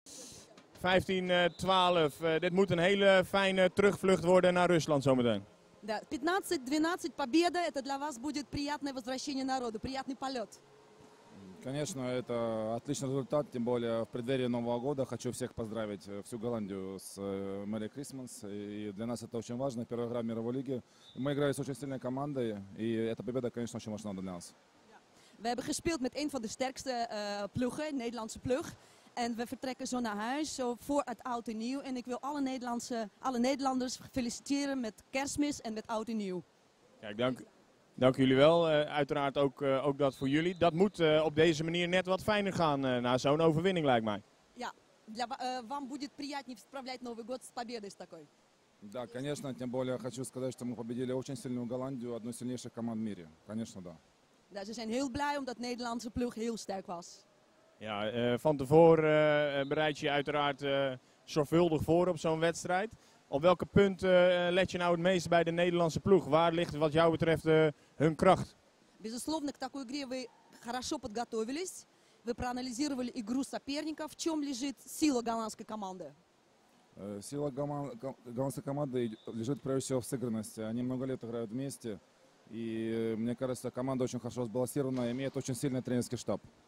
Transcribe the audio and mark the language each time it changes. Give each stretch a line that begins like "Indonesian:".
Dutch: 15-12, dit moet een hele fijne terugvlucht worden naar Rusland zometeen.
Russian: Ja, 15-12, победа, это для вас будет приятное возвращение народу, приятный полет. Конечно, это отличный результат, тем более в преддверии Нового года. Хочу всех поздравить, всю Голландию с
English: Merry Christmas.
Russian: И для нас это очень важно, первая игра в мировой лиге. Мы играли с очень сильной командой, и эта победа, конечно, очень важна для нас.
Dutch: We hebben gespeeld met een van de sterkste ploegen, Nederlandse ploeg. En we vertrekken zo naar huis, zo voor het oud en nieuw. En ik wil alle Nederlanders feliciteren met kerstmis en met oud en nieuw. Kijk, dank jullie wel. Uiteraard ook dat voor jullie. Dat moet op deze manier net wat fijner gaan na zo'n overwinning, lijkt mij.
Russian: Ja, вам будет приятнее справлять Новый год с победой с такой. Да, конечно. Тем более, хочу сказать, что мы победили очень сильную Голландию, одну из сильнейших команд в мире. Конечно, да.
Dutch: Да, ze zijn heel blij omdat de Nederlandse ploeg heel sterk was. Ja, van tevoren bereid je uiteraard zorgvuldig voor op zo'n wedstrijd. Op welke punten let je nou het meest bij de Nederlandse ploeg? Waar ligt wat jou betreft hun kracht?
Russian: Безусловно, к такой игре вы хорошо подготовились. Вы проанализировали игру соперника. В чем лежит сила голландской команды? Сила голландской команды лежит прежде всего в сыгранности. Они много лет играют вместе. И мне кажется, команда очень хорошо сбалансирована и имеет очень сильный тренерский штаб.